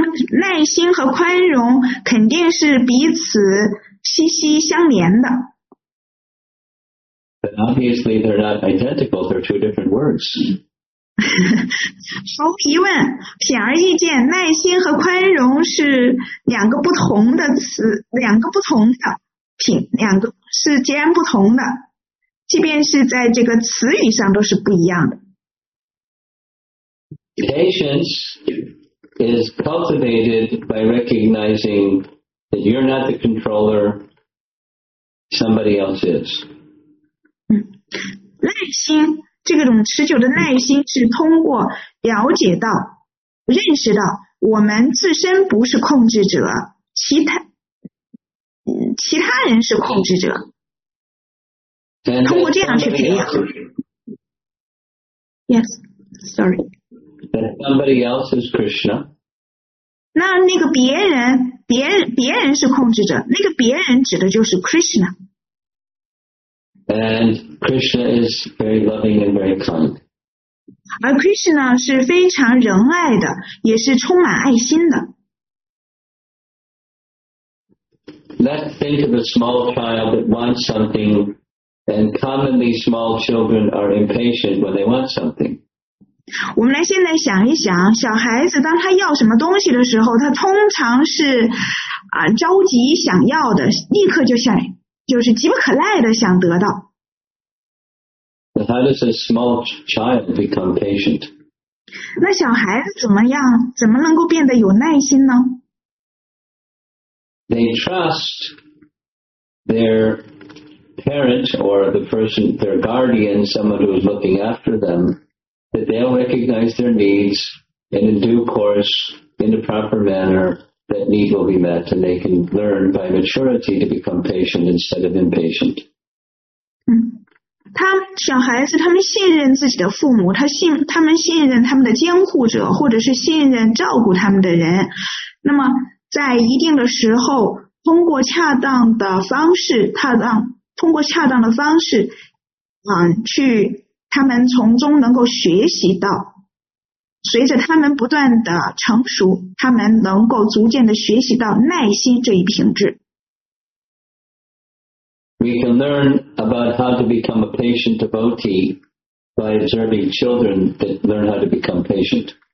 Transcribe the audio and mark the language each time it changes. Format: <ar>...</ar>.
<zh>耐心和宽容肯定是彼此息息相连的。</zh> <en>But obviously they're not identical, they're two different words.</en> <zh>毫无疑问，显而易见，耐心和宽容是两个不同的词，两个不同的品，两个是截然不同的，即便是在这个词语上都是不一样的。</zh> <en>Patience is cultivated by recognizing that you're not the controller, somebody else is.</en> <zh>耐心，这个种持久的耐心是通过了解到、认识到我们自身不是控制者，其他人是控制者。</zh> <en>And、</en> <zh>通过这样去培养。</zh> <en>Yes, sorry. That somebody else is Krishna.</en> <zh>那个别人是控制者，那个别人指的就是 Krishna。</zh> <en>And Krishna is very loving and very kind.</en> <zh>而 Krishna 是非常仁爱的，也是充满爱心的。</zh> <en>Let's think of a small child that wants something, and commonly small children are impatient when they want something.</en> <zh>我们来现在想一想，小孩子当他要什么东西的时候，他通常是着急想要的，立刻就想。就是急不可耐的想得到。</zh> <en>But how does a small child become patient?</en> <zh>那小孩子怎么样？怎么能够变得有耐心呢？</zh> <en>They trust their parent or the person, their guardian, someone who is looking after them, that they'll recognize their needs and in due course, in a proper manner,that need will be met and they can learn by maturity to become patient instead of impatient.</en> <zh>他小孩子他们信任自己的父母，他们信任他们的监护者或者是信任照顾他们的人，那么在一定的时候通过恰当的方式通过恰当的方式去他们从中能够学习到，随着他们不断的成熟，他们能够逐渐的学习到耐心这一品质。</zh> <en>We can learn about how to become a patient devotee by observing children that learn how to become patient.</en>